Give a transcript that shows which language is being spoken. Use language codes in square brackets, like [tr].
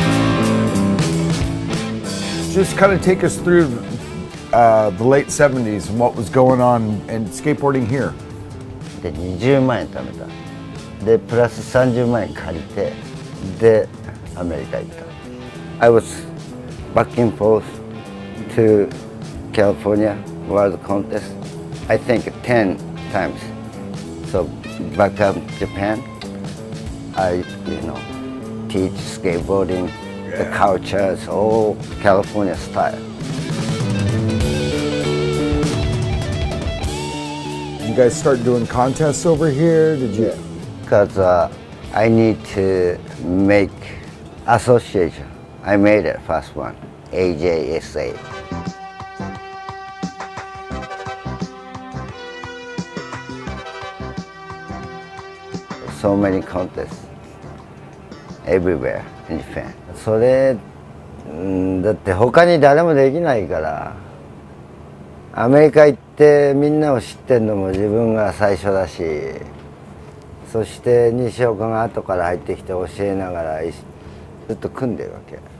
[ja] 遊んで。 [en] Just kind of take us through the late 70s and what was going on in skateboarding here. [ja] で20万円貯めた。でプラス30万円借りて、でアメリカ行った。 [en] I was back and forth to California World Contest. I think 10 times. So back up Japan. I teach skateboarding, the cultures, all California style. Did you guys start doing contests over here? Did you? Because I need to make association. I made it first one, AJSA. So many contests everywhere in Japan. [ja] それだって他に誰もできないから。アメリカ行ってみんなを知ってるのも自分が最初だし、そして西岡が後から入ってきて教えながらずっと組んでるわけ。